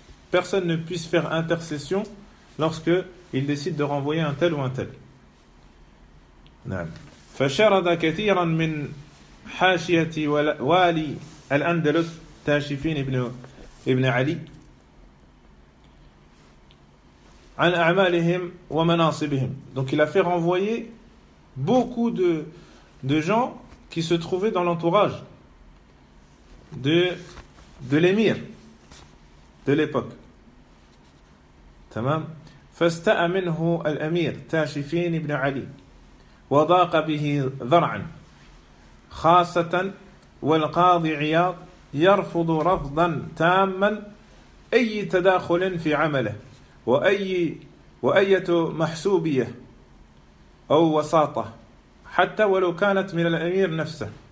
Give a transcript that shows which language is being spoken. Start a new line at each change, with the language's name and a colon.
French: Personne ne puisse faire intercession lorsque il décide de renvoyer un tel ou un tel.
Arabic: فشرد كثيرا من حاشية والي الأندلس تاشفين ابن علي عن أعمالهم ومناصبهم.
French: Donc il a fait renvoyer beaucoup de gens qui se trouvaient dans l'entourage de l'émir de l'époque.
Arabic: Tamam. فاستأ منه الأمير تاشفين ابن علي وضاق به ذرعا خاصة والقاضي عياض يرفض رفضا تاما أي تداخل في عمله وأي محسوبية أو وساطة حتى ولو كانت من الأمير نفسه.